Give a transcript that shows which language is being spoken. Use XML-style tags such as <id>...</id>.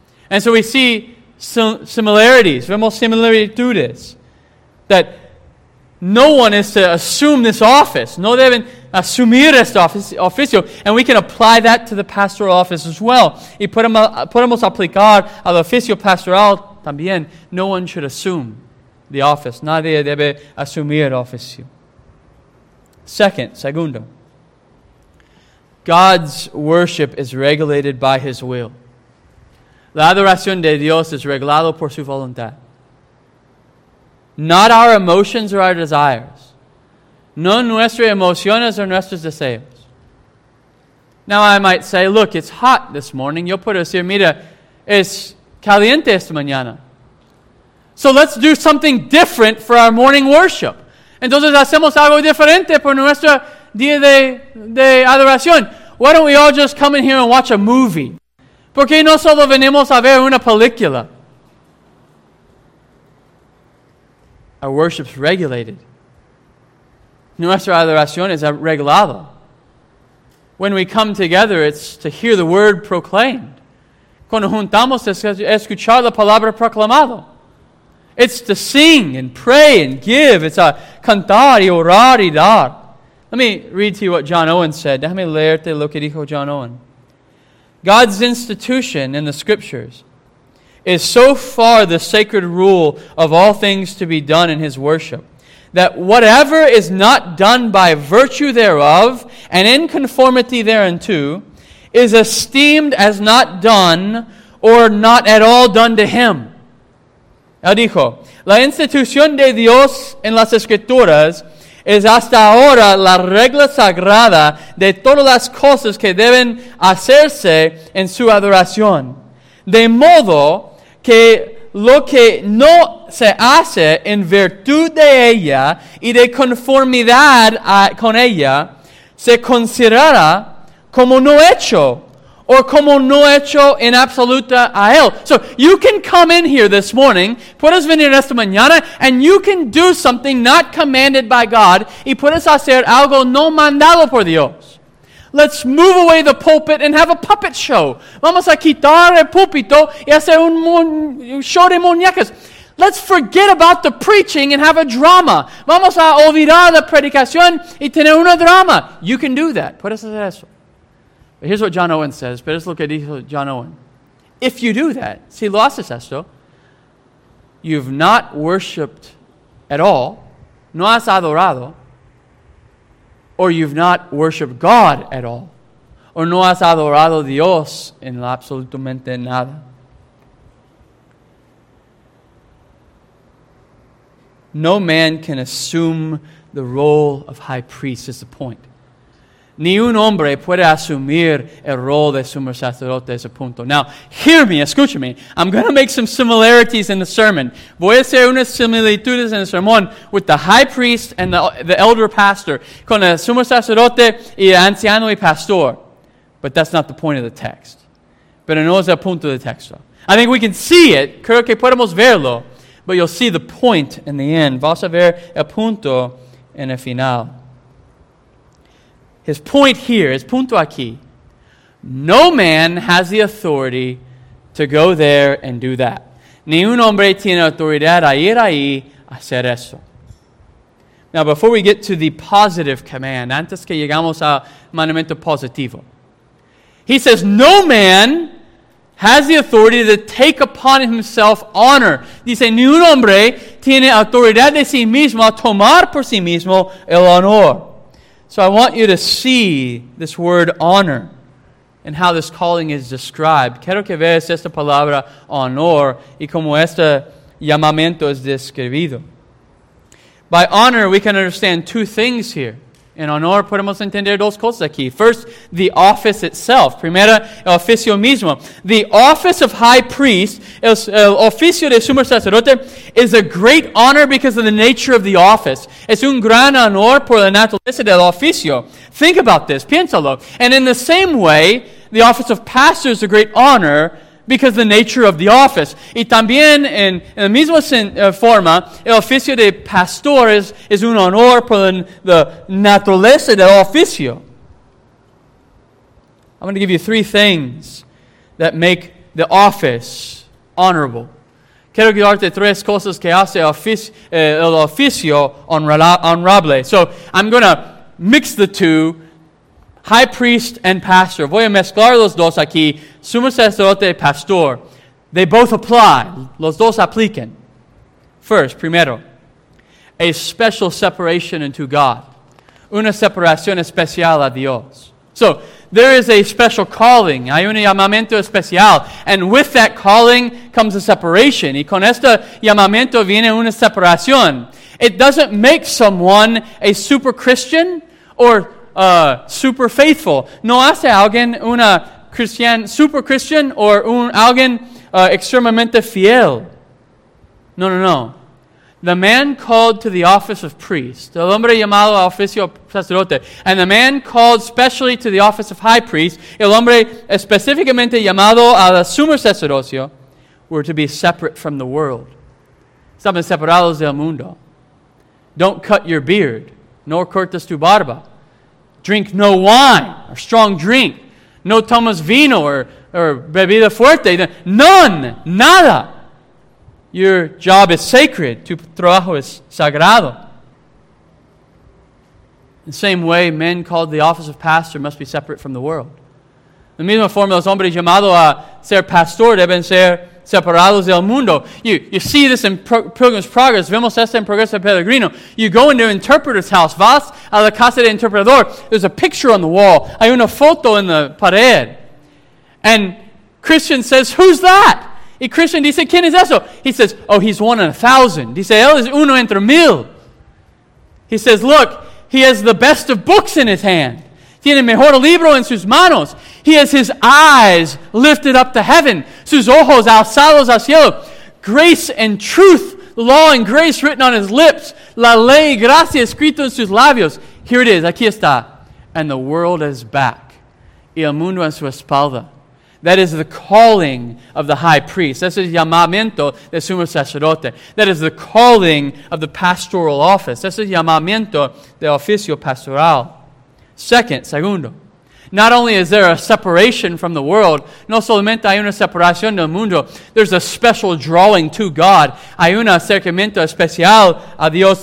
<en>And so we see similarities.</en> <es>Vemos similitudes.</es> <en>That no one is to assume this office.</en> <es>No deben asumir este oficio.</es> <en>And we can apply that to the pastoral office as well.</en> <es>Y podemos aplicar al oficio pastoral también.</es> <en>No one should assume the office.</en> <es>Nadie debe asumir el oficio. Segundo.</es> <en>God's worship is regulated by His will.</en> <es>La adoración de Dios es regulado por su voluntad.</es> <en>Not our emotions or our desires.</en> <es>No nuestras emociones o nuestros deseos.</es> <en>Now I might say, look, it's hot this morning.</en> <es>Yo puedo decir, mira, es caliente esta mañana.</es> <en>So let's do something different for our morning worship.</en> <es>Entonces hacemos algo diferente por nuestro día de adoración.</es> <en>Why don't we all just come in here and watch a movie?</en> <es>¿Por qué no solo venimos a ver una película?</es> <en>our worship's regulated.</en> <es>Nuestra adoración es regulada.</es> <en>When we come together, it's to hear the word proclaimed.</en> <es>Cuando juntamos es escuchar la palabra proclamado.</es> <en>It's to sing and pray and give. It's a</en> <es>cantar y orar y dar.</es> <en>Let me read to you what John Owen said.</en> <es>Déjame leerte lo que dijo John Owen.</es> <en>God's institution in the Scriptures is so far the sacred rule of all things to be done in His worship that whatever is not done by virtue thereof and in conformity thereunto is esteemed as not done or not at all done to Him.</en> <es>Él dijo, la institución de Dios en las Escrituras es hasta ahora la regla sagrada de todas las cosas que deben hacerse en su adoración. De modo que lo que no se hace en virtud de ella y de conformidad con ella se considerará como no hecho or como no hecho en absoluta a él.</es> <en>So you can come in here this morning,</en> <es>puedes venir esta mañana,</es> <en>and you can do something not commanded by God,</en> <es>y puedes hacer algo no mandado por Dios.</es> <en>Let's move away the pulpit and have a puppet show.</en> <es>Vamos a quitar el púlpito y hacer un show de muñecas.</es> <en>Let's forget about the preaching and have a drama.</en> <es>Vamos a olvidar la predicación y tener una drama.</es> <en>You can do that.</en> <es>Puedes hacer eso.</es> <en>Here's what John Owen says.</en> <es>Pero es lo que dijo John Owen.</es> <en>If you do that,</en> <es>si lo haces esto,</es> <en>you've not worshipped at all,</en> <es>no has adorado,</es> <en>or you've not worshipped God at all, or</en> <es>no has adorado Dios en lo absolutamente nada.</es> <en>No man can assume the role of high priest, is the point.</en> <es>Ni un hombre puede asumir el rol de sumo sacerdote a ese punto.</es> <en>Now, hear me,</en> <es>escucha me.</es> <en>I'm going to make some similarities in the sermon.</en> <es>Voy a hacer unas similitudes en el sermón</es> <en>with the high priest and the elder pastor,</en> <es>con el sumo sacerdote y el anciano y pastor.</es> <en>But that's not the point of the text.</en> <es>Pero no es el punto del texto.</es> <en>I think we can see it.</en> <es>Creo que podemos verlo.</es> <en>But you'll see the point in the end.</en> <es>Vas a ver el punto en el final.</es> <en>His point here, his</en> <es>punto aquí,</es> <en>no man has the authority to go there and do that.</en> <es>Ni un hombre tiene autoridad a ir ahí a hacer eso.</es> <en>Now, before we get to the positive command,</en> <es>antes que llegamos al mandamiento positivo,</es> <en>he says, no man has the authority to take upon himself honor.</en> <es>Dice, ni un hombre tiene autoridad de sí mismo a tomar por sí mismo el honor.</es> <en>So I want you to see this word honor and how this calling is described.</en> <es>Quiero que veas esta palabra honor y cómo este llamamiento es describido.</es> <en>By honor, we can understand two things here.</en> <es>En honor podemos entender dos cosas aquí.</es> <en>First, the office itself.</en> <es>Primera, el oficio mismo.</es> <en>The office of high priest,</en> <es>el oficio de sumo sacerdote,</es> <en>is a great honor because of the nature of the office.</en> <es>Es un gran honor por la naturaleza del oficio.</es> <en>Think about this.</en> <es>Piénsalo.</es> <en>And in the same way, the office of pastor is a great honor because of the nature of the office.</en> <es>Y también, en la misma forma, el oficio de pastor es un honor por la naturaleza del oficio.</es> <en>I'm going to give you three things that make the office honorable.</en> <es>Quiero darte tres cosas que hace el oficio honorable.</es> <en>So, I'm going to mix the two. High priest and pastor.</en> <es>Voy a mezclar los dos aquí. Sumo sacerdote, pastor.</es> <en>They both apply.</en> <es>Los dos aplican.</es> <en>First, primero, a special separation unto God.</en> <es>Una separación especial a Dios.</es> <en>So, there is a special calling.</en> <es>Hay un llamamiento especial.</es> <en>And with that calling comes a separation.</en> <es>Y con este llamamiento viene una separación.</es> <en>It doesn't make someone a super Christian or super faithful.</en> <es>No hace alguien una cristian,</es> <en>super Christian</en> <es>or alguien extremamente fiel.</es> <en>No, no, no. The man called to the office of priest,</en> <es>el hombre llamado al oficio sacerdote,</es> <en>and the man called specially to the office of high priest,</en> <es>el hombre específicamente llamado al sumo sacerdocio,</es> <en>were to be separate from the world.</en> <es>Estaban separados del mundo.</es> <en>Don't cut your beard, nor</en> <es>cortas tu barba.</es> <en>Drink no wine or strong drink.</en> <es>No tomas vino or bebida fuerte.</es> <en>None, nada. Your job is sacred.</en> <es>Tu trabajo es sagrado.</es> <en>In the same way, men called the office of pastor must be separate from the world.</en> <es>In the misma forma, los hombres llamados a ser pastor deben ser separados del mundo.</es> <en>You see this in Pilgrim's Progress.</en> <es>Vemos esto en Progreso Peregrino.</es> <en>You go into an interpreter's house.</en> <es>Vas a la casa del interpretador.</es> <en>There's a picture on the wall.</en> <es>Hay una foto en la pared.</es> <en>And Christian says, who's that?</en> <es>Y Christian dice, ¿quién es eso?</es> <en>He says, oh, he's one in a thousand.</en> <es>Dice, él es uno entre mil.</es> <en>He says, look, he has the best of books in his hand.</en> <es>Tiene mejor libro en sus manos.</es> <en>He has his eyes lifted up to heaven.</en> <es>Sus ojos alzados al cielo.</es> <en>Grace and truth, law and grace written on his lips.</en> <es>La ley y gracia escrito en sus labios.</es> <en>Here it is.</en> <es>Aquí está.</es> <en>And the world is back.</en> <es>Y el mundo en su espalda.</es> <en>That is the calling of the high priest.</en> <es>That's el llamamiento de sumo sacerdote.</es> <en>That is the calling of the pastoral office.</en> <es>That's el llamamiento de oficio pastoral.</es> <en>Segundo, not only is there a separation from the world,</en> <es>no solamente hay una separación del mundo,</es> <en>there's a special drawing to God.</en> <es>Hay un acercamiento especial a Dios.</es>